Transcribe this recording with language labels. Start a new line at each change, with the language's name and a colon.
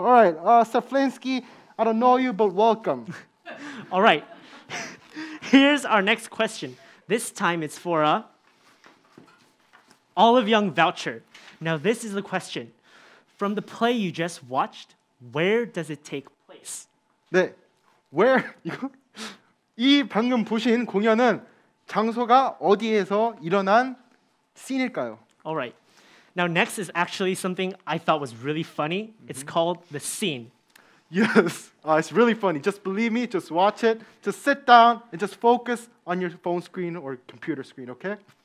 English: Alright, Saflinski, I don't know you, but welcome. Alright, here's our next question. This time it's for Olive Young Voucher. Now this is the question. From the play you just watched, where does it take place?
Korean: 네,
English: where?
Korean: 이 방금 보신 공연은 장소가 어디에서 일어난 씬일까요?
English: Alright. Now next is actually something I thought was really funny. Mm-hmm. It's called the scene. Yes, it's really funny. Just believe me, just watch it. Just sit down and just focus on your phone screen or computer screen, okay?